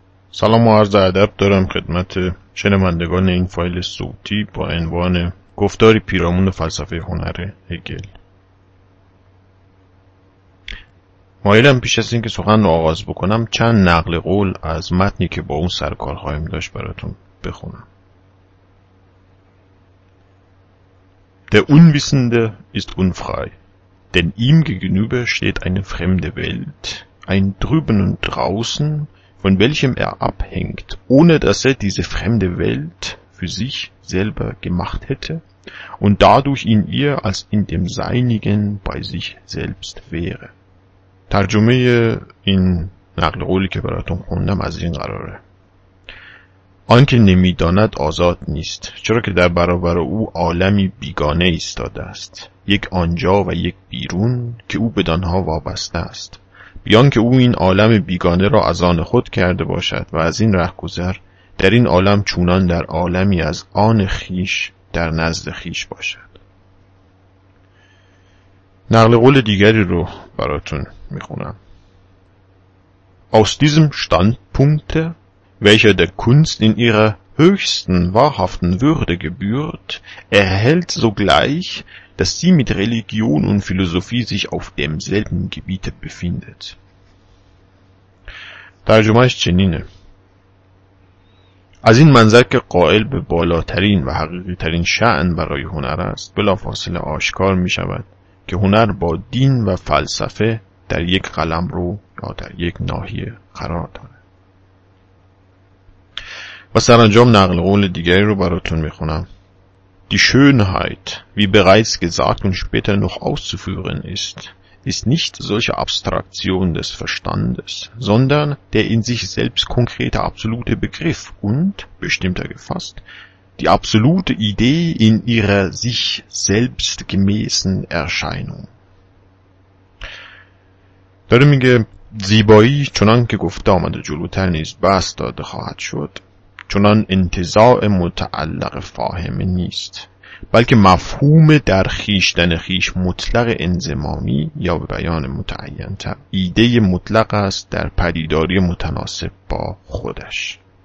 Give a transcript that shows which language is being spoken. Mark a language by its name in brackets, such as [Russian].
[Persian] سلام و عرض ادب دارم خدمت شنوندگان این فایل صوتی با عنوان گفتاری پیرامون فلسفه هنر هگل. مایلم پیش از اینکه سخن رو آغاز بکنم چند نقل قول از متنی که با اون سرکار خواهیم داشت براتون بخونم. [German] Der Unwissende ist unfrei, denn ihm gegenüber steht eine fremde Welt, ein drüben und draußen, von welchem er abhängt, ohne dass er diese fremde Welt für sich selber gemacht hätte und dadurch in ihr als in dem Seinigen bei sich selbst wäre. [Persian] ترجمه این نقل قولی که براتون خوندم از این قراره: آن که نمی‌داند آزاد نیست، چرا که در برابر او عالمی بیگانه ایستاده است، یک آنجا و یک بیرون که او بدانها وابسته است، بیان که او این عالم بیگانه را از آن خود کرده باشد و از این رهگذر در این عالم چونان در عالمی از آن خیش در نزد خیش باشد. نقل قول دیگری رو براتون میخونم: [German] Aus diesem Standpunkt, welcher der Kunst in ihrer höchsten wahrhaften Würde gebührt, erhält sogleich, dass sie mit Religion und Philosophie sich auf demselben Gebiet befindet. [Persian] ترجمه چنینه: از این منظر که قائل به بالاترین و حقیقی ترین شأن برای هنر است، بلافاصله آشکار می شود که هنر با دین و فلسفه در یک قلمرو یا در یک ناحیه قرار دارد. و سرانجام نقل قول دیگری رو براتون می خونم: [German] Die Schönheit, wie bereits gesagt und später noch auszuführen ist, ist nicht solche Abstraktion des Verstandes, sondern der in sich selbst konkrete absolute Begriff und, bestimmter gefasst, die absolute Idee in ihrer sich selbst gemäßen Erscheinung. [Persian] داره میگه زیبایی چنان که گفته آمده جلوتر نیز بس داده خواهد شد، چنان انتزاع متعلق فاهمه نیست، بلکه مفهوم در خیشتن خیش مطلق انزمامی یا به بیان متعین تر ایده مطلق است در پدیداری متناسب با خودش.